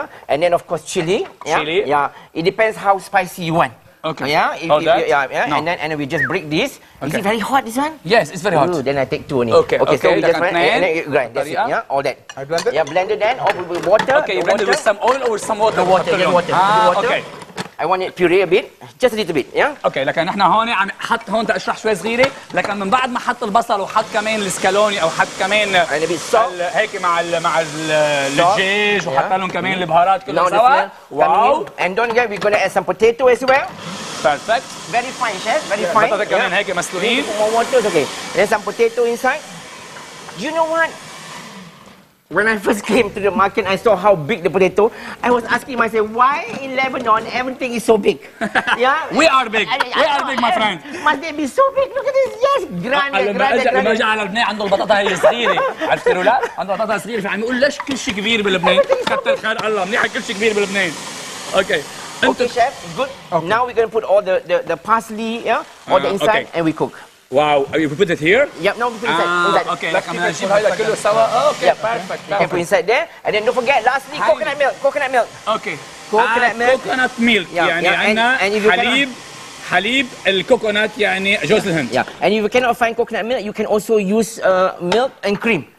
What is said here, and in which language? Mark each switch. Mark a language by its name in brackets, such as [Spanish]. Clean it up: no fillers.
[English] and then of course chili. It depends how spicy you want okay no. and then we just break this okay. Is it very hot this one yes it's very hot ooh, then I take two okay. So we just grind that's it, yeah all that I blend it yeah blend it then all with water okay blend it with some oil or some water water okay I want it puree a bit, just a little bit, yeah? [Arabic] Okay, لكن نحن هون عم حط هون تشرح شوي صغيرة، لكن من بعد ما حط البصل وحط كمان السكالوني أو حط كمان هيك مع الدجاج وحط لهم كمان البهارات كلها سوا. واو. [English] And don't forget we're gonna add some potato as well. Perfect. Very fine, chef. Very fine. [Arabic] بطاطا كمان هيك مسلوقين. [English] More water, okay. There's some potato inside. You know what? When I first came to the market, I saw how big the potato. I was asking myself, why in Lebanon everything is so big? Yeah, we are big, my friend. Must they be so big? Look at this. Yes, grande. [Arabic] لما جاء على لبنان عنده البطاطا هي صغيرة. عرفت ولا؟ عنده البطاطا صغيرة. فعم يقول ليش كل شيء كبير بلبنان؟ كتر خير الله منيح كل شيء كبير بلبنان. [English] Okay. Okay, chef. Good. Okay. Now we're gonna put all the parsley, all the inside, okay. And we cook. Wow, are you put it here? Yep, no, we put it inside. Okay, like I'm going to like okay, perfect. You can put inside there. And then don't forget, lastly, coconut milk. Okay. Coconut milk. [Arabic] حليب الكوكونات يعني جوز الهند. [English] Yeah, and if you cannot find coconut milk, you can also use milk and cream.